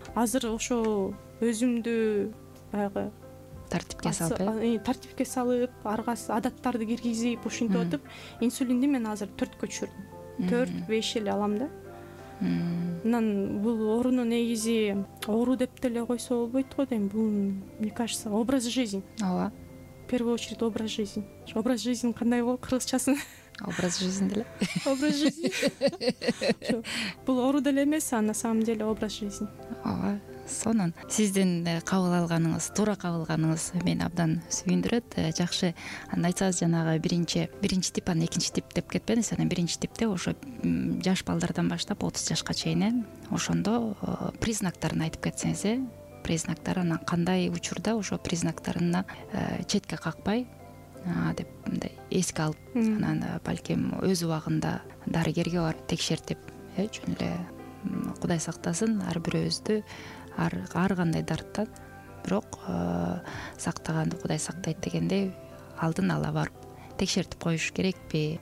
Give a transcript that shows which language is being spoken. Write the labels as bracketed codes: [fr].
[ky] Азыр ошо өзүмдү баягы тартипке салып, тартипке салып, аргас адаттарды киргизип, ушинтип отуп, инсулинди мен азыр 4 көчүрдүм. 4-5 эле алам да. Анан бул оорунун негизи оору деп деле койсо болбойт го дейм. Бул, [ru] мне кажется, образ жизни. [ky] Ооба. [ru] В первую очередь образ жизни. Образ жизни [ky] кандай го кыргызчасын? [ru] Образ жизни [ky] деле. [ru] Образ жизни. [ky] Бул оору деле эмес, [ru] а на самом деле образ жизни. [ky] Ооба. Сонун, сиздин кабыл алганыңыз, туура кабыл алганыңыз мени абдан сүйүндүрөт. Жакшы, анда айтсаңыз жанагы биринчи тип, анан экинчи тип деп кетпеңиз. Анан биринчи типте ошо жаш балдардан баштап 30 жашка чейин, ошондо признактарын айтып кетсеңиз, признактары, анан кандай учурда ошо признактарына четке какпай деп мындай эске алып, анан балким өз убагында дарыгерге барып текшертип, жөн эле Кудай сактасын ар бирөөбүздү ар кандай дарттан, бирок сактаганды Кудай сактайт дегендей, алдын ала барып текшертип коюш керекпи?